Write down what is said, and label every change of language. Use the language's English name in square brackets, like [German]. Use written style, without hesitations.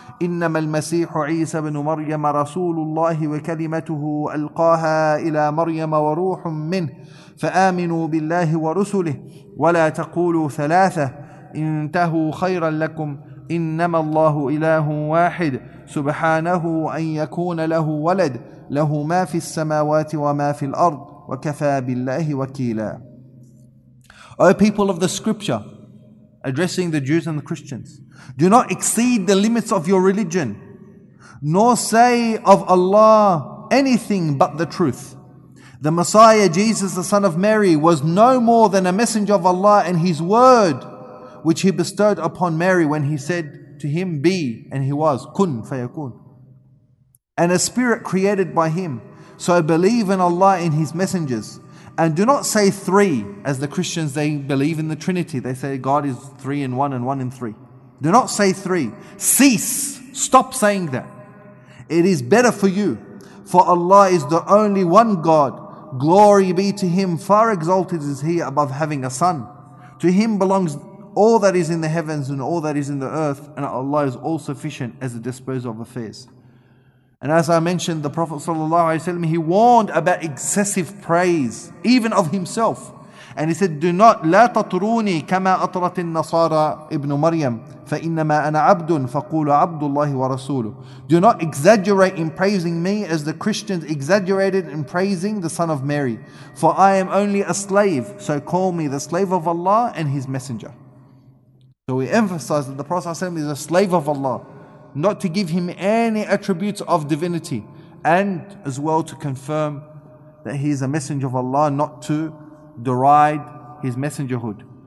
[Arabic] إنما المسيح عيسى بن مريم رسول الله وكلمته ألقاها إلى مريم وروح منه فآمنوا بالله ورسله ولا تقولوا ثلاثة انتهوا خيرا لكم إنما الله إله واحد سبحانه أن يكون له ولد له ما في السماوات وما في الأرض وكفى بالله وكيلا. [English] O people of the scripture, addressing the Jews and the Christians, do not exceed the limits of your religion, nor say of Allah anything but the truth. The Messiah, Jesus, the son of Mary, was no more than a messenger of Allah and his word, which he bestowed upon Mary when he said to him, be, and he was, [Arabic] kun fayakun, [English] and a spirit created by him. So believe in Allah and his messengers. And do not say three, as the Christians, they believe in the Trinity. They say God is three in one and one in three. Do not say three. Cease. Stop saying that. It is better for you. For Allah is the only one God. Glory be to Him. Far exalted is He above having a son. To Him belongs all that is in the heavens and all that is in the earth. And Allah is all sufficient as a disposer of affairs. And as I mentioned, the Prophet ﷺ, he warned about excessive praise, even of himself. And he said, do not, [Arabic] لا تطروني كما أطرت النصارى ابن مريم فإنما أنا عبد فقولوا عبد الله ورسوله. [English] Do not exaggerate in praising me as the Christians exaggerated in praising the son of Mary. For I am only a slave, so call me the slave of Allah and his messenger. So we emphasize that the Prophet ﷺ is a slave of Allah, not to give him any attributes of divinity, and as well to confirm that he is a messenger of Allah, not to deride his messengerhood.